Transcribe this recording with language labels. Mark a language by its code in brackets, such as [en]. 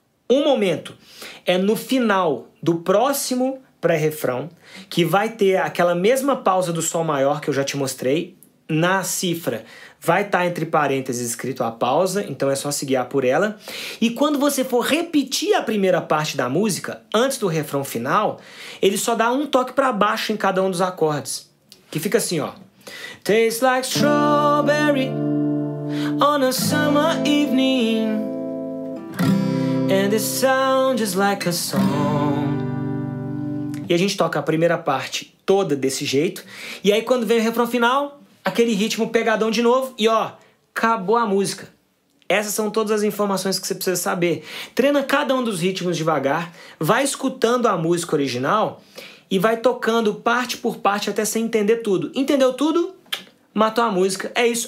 [pt] Um momento é no final do próximo pré-refrão, que vai ter aquela mesma pausa do sol maior que eu já te mostrei. Na cifra vai estar entre parênteses escrito a pausa, então é só se guiar por ela. E quando você for repetir a primeira parte da música, antes do refrão final, ele só dá um toque para baixo em cada um dos acordes. Que fica assim, ó. [en] Tastes like strawberry on a summer evening. And the sound is like a song. [pt] E a gente toca a primeira parte toda desse jeito. E aí quando vem o refrão final, aquele ritmo pegadão de novo e ó, acabou a música. Essas são todas as informações que você precisa saber. Treina cada um dos ritmos devagar, vai escutando a música original e vai tocando parte por parte até você entender tudo. Entendeu tudo? Matou a música. É isso.